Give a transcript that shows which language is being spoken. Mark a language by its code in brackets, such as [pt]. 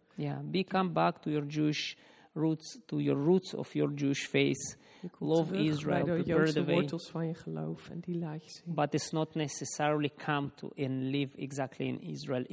[en] Ja, yeah, become back to your Jewish roots, to your roots of your Jewish faith. Love Israel, prepare the way. Je [nl] komt terug bij de wortels van je geloof en die laat je zien. [en] But it's not necessarily come to and live exactly in Israel.